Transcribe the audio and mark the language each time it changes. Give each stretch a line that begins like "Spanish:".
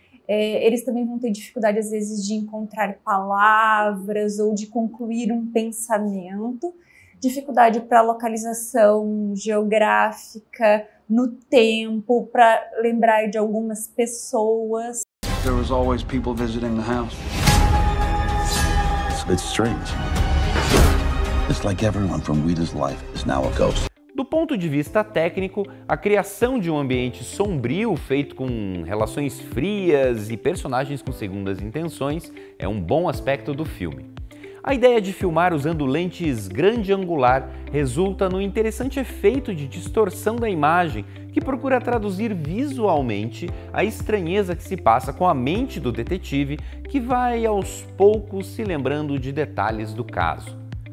Portuguese: Eles também vão ter dificuldade, às vezes, de encontrar palavras ou de concluir um pensamento. Dificuldade para localização geográfica, no tempo, para lembrar de algumas pessoas.
English: There was always people visiting the house. It's strange. It's like everyone from Weeda's life is now a ghost.
Portuguese: Do ponto de vista técnico, a criação de um ambiente sombrio feito com relações frias e personagens com segundas intenções é um bom aspecto do filme. A ideia de filmar usando lentes grande angular resulta no interessante efeito de distorção da imagem que procura traduzir visualmente a estranheza que se passa com a mente do detetive que vai aos poucos se lembrando de detalhes do caso.